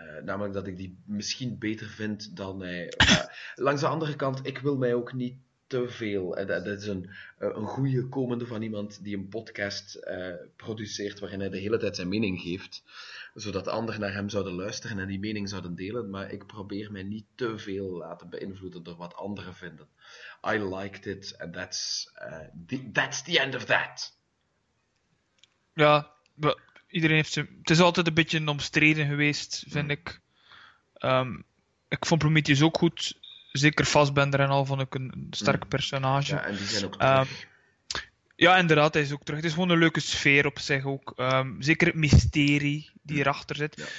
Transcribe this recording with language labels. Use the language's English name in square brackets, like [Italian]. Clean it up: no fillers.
[Dutch] Namelijk dat ik die misschien beter vind dan hij. Langs de andere kant, ik wil mij ook niet te veel. Dat is een goede komende van iemand die een podcast produceert waarin hij de hele tijd zijn mening geeft. Zodat anderen naar hem zouden luisteren en die mening zouden delen. Maar ik probeer mij niet te veel laten beïnvloeden door wat anderen vinden. [English] I liked it and that's the end of that. [Dutch] Ja, iedereen heeft ze. Het is altijd een beetje omstreden geweest, vind ik. Ik vond Prometheus ook goed. zeker Fassbender en al, vond ik een sterk personage. Ja, en die zijn ook terug. Ja, inderdaad, hij is ook terug. Het is gewoon een leuke sfeer op zich ook. Zeker het mysterie die erachter zit. Ja.